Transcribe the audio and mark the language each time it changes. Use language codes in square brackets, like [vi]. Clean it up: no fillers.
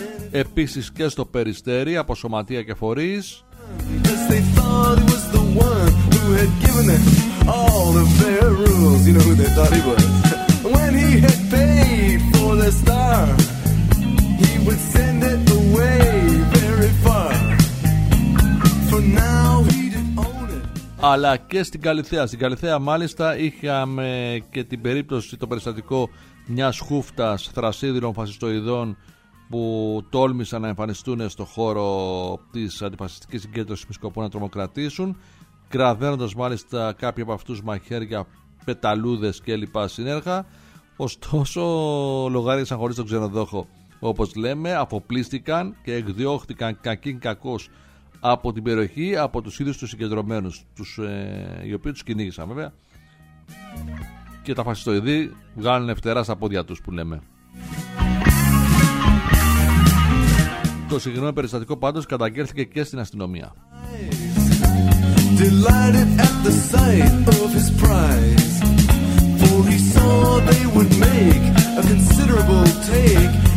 [el] Επίσης και στο Περιστέρι από σωματεία και φορείς. [en] Because they thought he was the one who had given them all of their rules. You know who they thought he was. When he had paid for the star, he would send it away very far. For now he didn't own it. [el] Αλλά και στην Καλυθέα. Στην Καλυθέα μάλιστα είχαμε και την περίπτωση, το περιστατικό μιας χούφτας θρασίδηλων φασιστοειδών που τόλμησαν να εμφανιστούν στο χώρο της αντιφασιστικής συγκέντρωσης με σκοπό να τρομοκρατήσουν, κραδένοντας μάλιστα κάποιοι από αυτούς μαχαίρια, πεταλούδες κλπ. Συνέργα. Ωστόσο λογάριασαν χωρίς τον ξενοδόχο, όπως λέμε, αφοπλίστηκαν και εκδιώχθηκαν κακήν κακός από την περιοχή, από τους ίδιους τους συγκεντρωμένους, τους, οι οποίοι τους κυνήγησαν βέβαια. Και τα φασιστοειδή βγάλουν φτερά στα πόδια τους, που λέμε. Το συγκεκριμένο περιστατικό πάντως καταγγέλθηκε και στην αστυνομία. [en] Delighted at the sight of his prize, for he saw they would make a considerable take.